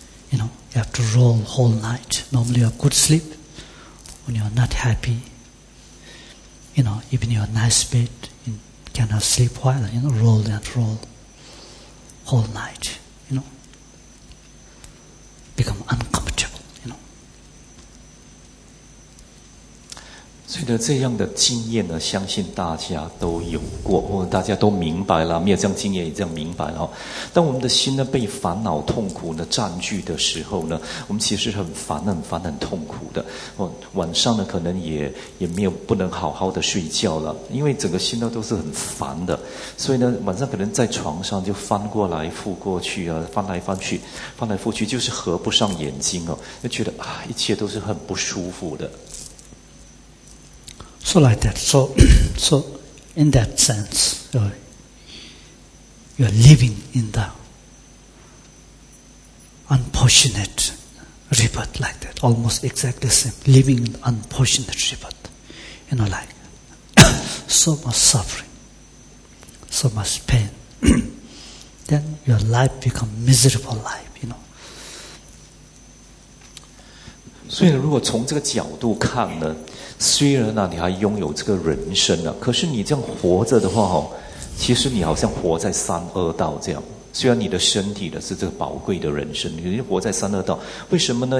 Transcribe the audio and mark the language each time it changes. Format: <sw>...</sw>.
<en>You know, you have to roll whole night. Normally you have good sleep. When you are not happy, you know, even your nice bed,cannot sleep well, you know, roll and roll all night, you know, become uncomfortable, you know.</en> <zh>所以呢，这样的经验呢，相信大家都有过，或者大家都明白了，没有这样经验也这样明白了。当我们的心呢被烦恼痛苦呢占据的时候呢，我们其实很烦很烦很痛苦的。晚上呢可能也没有不能好好的睡觉了，因为整个心呢都是很烦的，所以呢晚上可能在床上就翻过来覆过去啊，翻来翻去翻来覆去，就是合不上眼睛哦，就觉得啊一切都是很不舒服的。</zh> <en>So like that. So in that sense, you're living in the unfortunate rebirth like that. Almost exactly the same. Living in unfortunate rebirth. You know, like so much suffering, so much pain. Then your life become miserable life, you know.</en> <zh>所以如果从这个角度看呢，虽然呢你还拥有这个人生呢，可是你这样活着的话哦，其实你好像活在三恶道这样。虽然你的身体呢是这个宝贵的人生，你活在三恶道，为什么呢？</zh>